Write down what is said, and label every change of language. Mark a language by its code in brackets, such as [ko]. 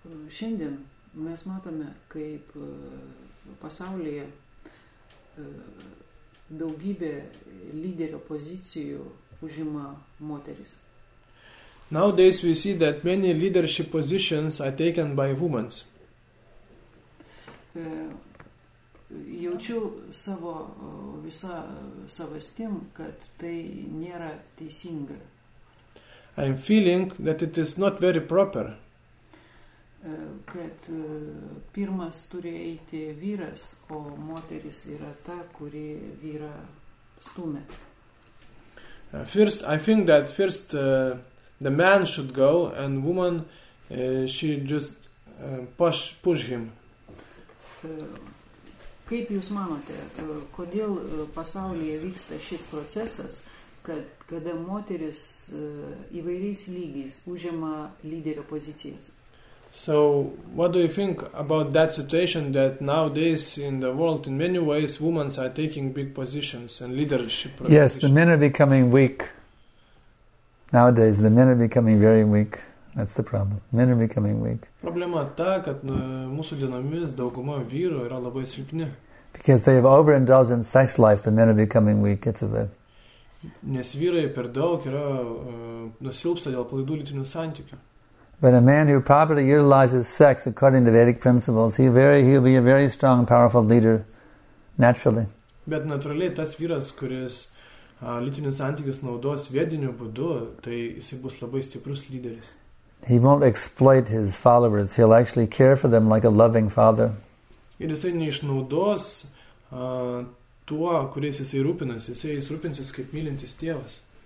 [lt] Šiandien mes matome, kaip pasaulyje daugybė lyderio pozicijų užima moteris. [en] Nowadays we see that many leadership positions are taken by women. [lt] Jaučiu savo visą savastim, kad tai nėra teisinga. [en] I am feeling that it is not very proper. [lt] Kad pirmas turi eiti vyras, o moteris yra ta, kuri vyra stumia. [en] First, I think that first the man should go and woman she just push him. [lt] Kaip jūs manote, kodėl pasaulyje vyksta šis procesas, kada moteris įvairiais lygiais užima lyderio pozicijas? [en] So, what do you think about that situation that nowadays in the world, in many ways, women are taking big positions and leadership positions? Yes, the men are becoming weak. Nowadays, the men are becoming very weak. That's the problem. Men are becoming weak. [lt] Problema ta, kad mūsų dienomis dauguma vyrų yra labai silpni. [en] Because they have overindulged in sex life, the men are becoming weak. It's a bit. [lt] Nes vyrai per daug yra nusilpsta dėl palaidų lytinių santykių. [en] But a man who properly utilizes sex according to Vedic principles, he'll be a very strong, powerful leader, naturally. [lt] Bet natūraliai tas vyras, kuris lytinius santykius naudos vediniu būdu, tai jisai bus labai stiprus lyderis. [en] He won't exploit his followers, he'll actually care for them like a loving father. [lt] Ir jisai neišnaudos tuo, kuris jisai rūpinasi, jisai jis rūpinsis kaip mylintis tėvas.